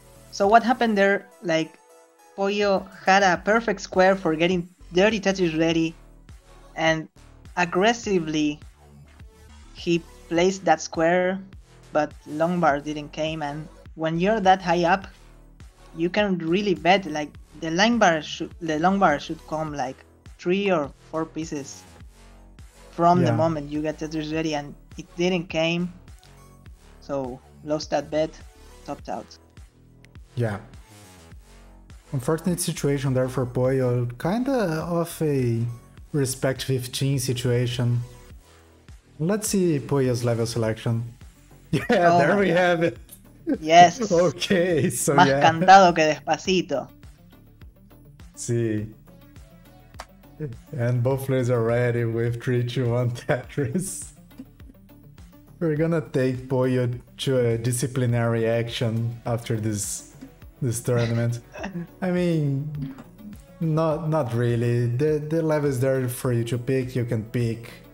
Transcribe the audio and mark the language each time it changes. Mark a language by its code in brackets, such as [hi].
[en] So what happened there, like, Pollo had a perfect square for getting dirty Tetris ready, and aggressively he placed that square, but long bar didn't came, and when you're that high up, you can really bet, like, the long bar should come, like, 3 or 4 pieces from the moment you get Tetris ready, and it didn't came, so lost that bet, topped out. Yeah. Unfortunate situation there for Pollo, kind of a respect 15 situation. Let's see Pollo's level selection. Yeah, have it. Yes. Okay, so [es] más cantado que despacito. [en] See. And both players are ready with 3-2-1 Tetris. We're gonna take Pollo to a disciplinary action after this tournament. I mean, not really. The levels there for you to pick, you can pick.